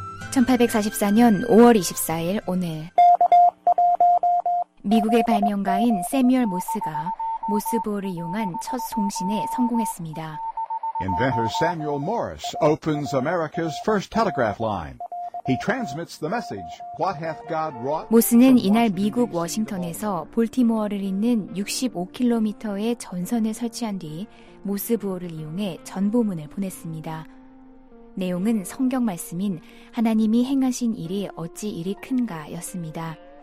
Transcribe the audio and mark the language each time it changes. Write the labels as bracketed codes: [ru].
[ko] 1844년 5월 24일 오늘 미국의 발명가인 세뮤얼 모스가 모스볼을 이용한 첫 송신에 성공했습니다. [en] Inventor Samuel Morse opens America's first telegraph line. He transmits the message, What hath God wrought? [ko] 모스는 이날 미국 워싱턴에서 볼티모어를 잇는 65km의 전선을 설치한 뒤 모스부호를 이용해 전보문을 보냈습니다. 내용은 성경 말씀인 하나님이 행하신 일이 어찌 이리 큰가였습니다.